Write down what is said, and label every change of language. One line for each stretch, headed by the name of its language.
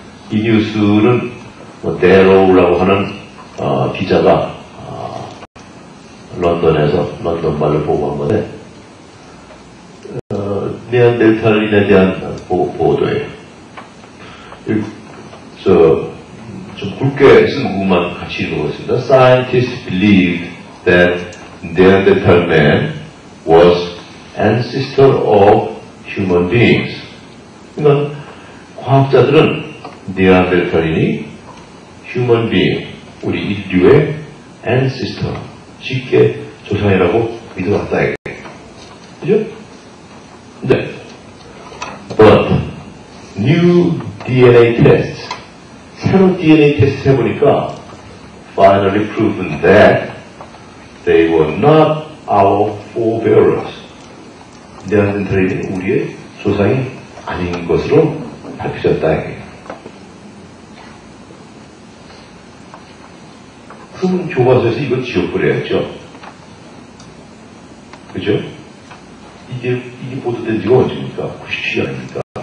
Korean: 이 뉴스는 뭐, 데로우라고 하는 기자가 런던에서 런던 말을 보고한 건데 네안데탈인에 대한 보도예요. 좀 굵게 쓴 부분만 같이 읽어보겠습니다.
English: Scientists believe that Neanderthal man was ancestor of human beings.
Korean: 그러니까 과학자들은 네안데탈인이 human being 우리 인류의 ancestor, 쉽게 조상이라고 믿어왔다 이게. 그죠? 네.
English: But new DNA tests,
Korean: 새로 DNA 테스트 해보니까
English: finally proven that they were not our forebearers.
Korean: 네안데탈인은 우리의 조상이 아닌 것으로 밝혀졌다 이게. 그분 교과서에서 이걸 지워버려야죠. 그죠? 이게 보도된 지가 언제입니까? 97년입니까?